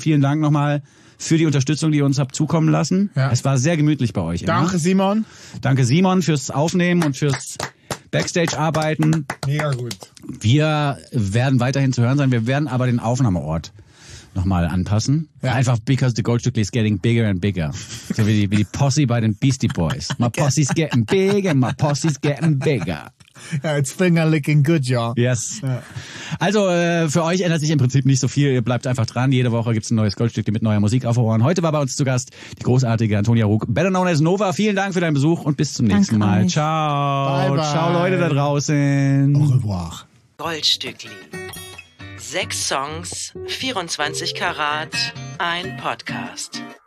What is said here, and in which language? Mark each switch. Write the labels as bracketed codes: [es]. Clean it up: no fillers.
[de] Vielen Dank nochmal für die Unterstützung, die ihr uns habt zukommen lassen. Ja. Es war sehr gemütlich bei euch. Danke, immer. Simon. Danke, Simon, fürs Aufnehmen und fürs Backstage-Arbeiten. Mega gut. Wir werden weiterhin zu hören sein. Wir werden aber den Aufnahmeort nochmal anpassen. Ja. Einfach [en] because the Goldstückli is getting bigger and bigger. [de] So wie die Posse bei den Beastie Boys. [en] My Posse's getting bigger, my Posse's getting bigger. Yeah, it's finger licking good, y'all. Yes. [de] Also für euch ändert sich im Prinzip nicht so viel. Ihr bleibt einfach dran. Jede Woche gibt es ein neues Goldstückli mit neuer Musik auf Ohren. Heute war bei uns zu Gast die großartige Antonia Ruck, [en] better known as [de] Nova. Vielen Dank für deinen Besuch und bis zum nächsten Mal. Ciao. [en] Bye, bye. [de] Ciao, Leute da draußen. [fr] Au revoir. [de] Goldstückli. 6 Songs, 24 Karat, ein Podcast.